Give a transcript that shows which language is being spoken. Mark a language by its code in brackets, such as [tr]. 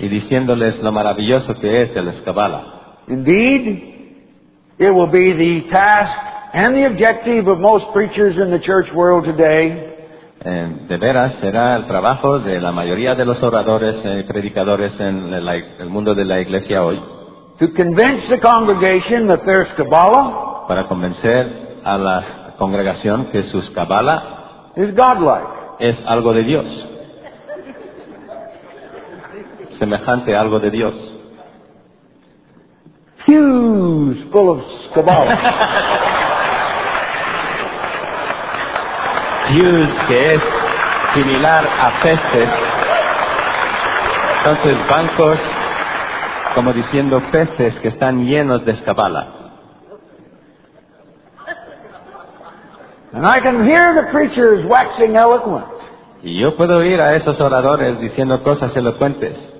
[es] Y diciéndoles lo maravilloso que es el Kabbalah. [en] Indeed, it will be the task and the objective of most preachers in the church world today. [es] De veras, será el trabajo de la mayoría de los oradores y predicadores en el mundo de la iglesia hoy. [en] To convince the congregation that there's Kabbalah. [es] Para convencer a la congregación que sus Kabbalah [en] is godlike. [es] Es algo de Dios. Semejante a algo de Dios. [en] Pews full of Kabbalah. [es] Pews que es similar a peces. Entonces bancos, como diciendo peces que están llenos de Kabbalah. [en] And I can hear the preachers waxing eloquent. [es] Y yo puedo oír a esos oradores diciendo cosas elocuentes.